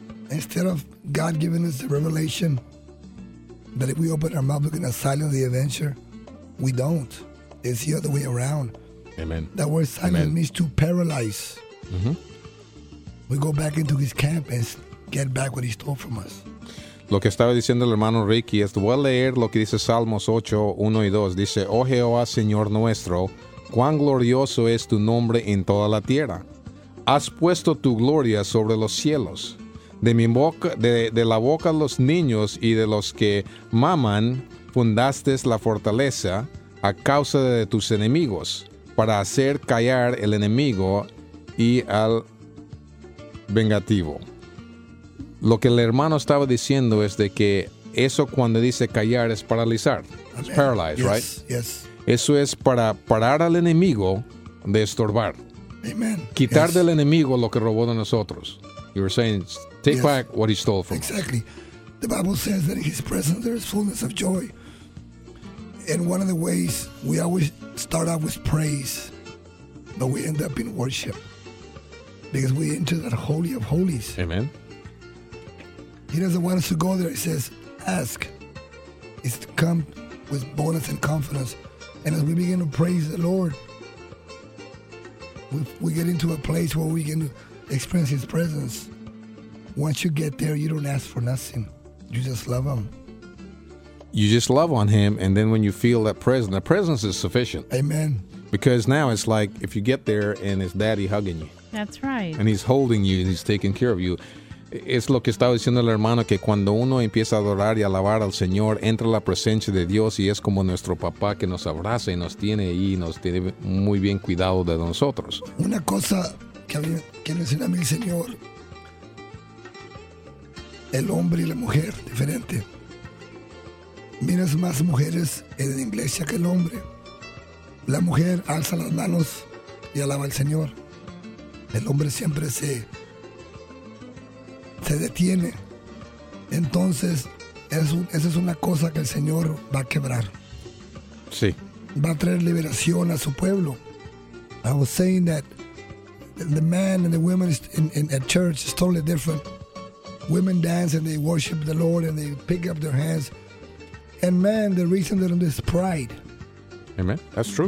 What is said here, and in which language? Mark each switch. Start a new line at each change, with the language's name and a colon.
English: Instead of God giving us the revelation that if we open our mouth, we're going to silence the avenger, we don't. It's the other way around. Amen. That word silence means to paralyze. We go back into His camp and get back what He stole from us.
Spanish: Lo que estaba diciendo el hermano Ricky es, voy a leer lo que dice Salmos 8, 1 y 2. Dice, oh Jehová, Señor nuestro, cuán glorioso es tu nombre en toda la tierra. Has puesto tu gloria sobre los cielos. De la boca de los niños y de los que maman, fundaste la fortaleza a causa de tus enemigos, para hacer callar el enemigo y al vengativo. Lo que el hermano estaba diciendo es de que eso cuando dice callar es paralizar.
English: It's paralyzed, yes, right? Yes.
Spanish: Eso es para parar al enemigo de estorbar. Amen. Quitar del enemigo lo que robó de nosotros.
English: You were saying, take back what he stole from exactly. us. Exactly. The Bible says that in His presence there is fullness of joy. And one of the ways we always start out with praise, but we end up in worship. Because we enter that holy of holies. Amen. He doesn't want us to go there. He says, ask. It's to come with boldness and confidence. And as we begin to praise the Lord, we get into a place where we can experience His presence. Once you get there, you don't ask for nothing. You just love Him. You just love on Him, and then when you feel that presence is sufficient. Amen. Because now it's like if you get there and it's Daddy hugging you. That's right. And He's holding you and He's taking care of you.
Spanish: Es lo que estaba diciendo el hermano, que cuando uno empieza a adorar y alabar al Señor, entra la presencia de Dios y es como nuestro papá que nos abraza y nos tiene ahí y nos tiene muy bien cuidado de nosotros. Una cosa que me enseñó a mí el Señor, el hombre y la mujer, diferente. Miras más mujeres en la iglesia que el hombre. La mujer alza las manos y alaba al Señor. El hombre siempre se detiene. Entonces, esa es una cosa que el Señor va a quebrar. Sí. Va a traer liberación a su pueblo.
English: I was saying that the man and the women in a church is totally different. Women dance and they worship the Lord and they pick up their hands. And man, the reason they're in this is pride. Amen. That's true.